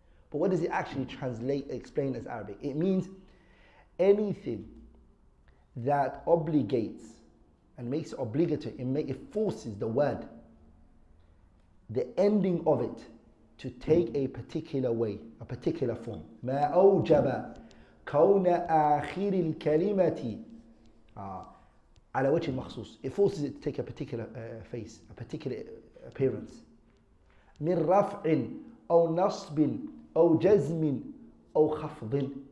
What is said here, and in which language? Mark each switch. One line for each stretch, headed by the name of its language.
English: But what does it actually translate, explain as Arabic? It means anything that obligates and makes it obligatory, it forces the word, the ending of it, to take a particular way, a particular form.
Arabic: ما أوجب كون آخر الكلمة على وجه المخصوص.
English: It forces it to take a particular face, a particular appearance.
Arabic: من رفع أو نصب أو جزم أو خفض.